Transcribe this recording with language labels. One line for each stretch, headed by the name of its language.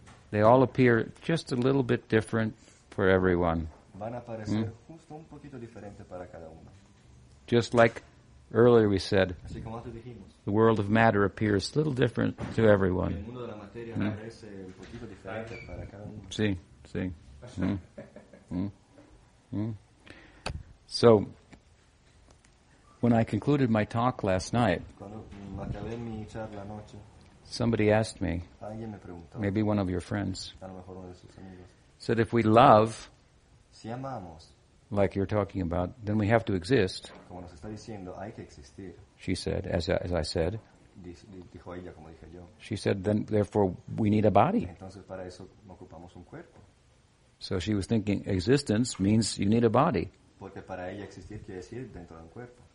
English: They all appear just a little bit different for everyone.
Spanish: Van a aparecer justo un poquito diferente para cada uno.
English: Just like earlier we said,
Spanish: así como antes dijimos,
English: the world of matter appears a little different to everyone.
Spanish: El mundo de la materia aparece un poquito diferente para cada uno. Sí, sí.
English: So, when I concluded my talk last night,
Spanish: cuando acabé mi charla anoche,
English: somebody asked me,
Spanish: alguien me preguntó,
English: maybe one of your friends,
Spanish: a lo mejor uno de sus amigos,
English: said if we love,
Spanish: Si amamos,
English: like you're talking about, then we have to exist.
Spanish: Como nos está diciendo, hay que existir.
English: She said, as I said.
Spanish: Dijo ella, como dije yo.
English: She said, then therefore we need a body.
Spanish: Entonces, para eso ocupamos un cuerpo.
English: So she was thinking existence means you need a body.
Spanish: Porque para ella existir quiere decir dentro de un cuerpo.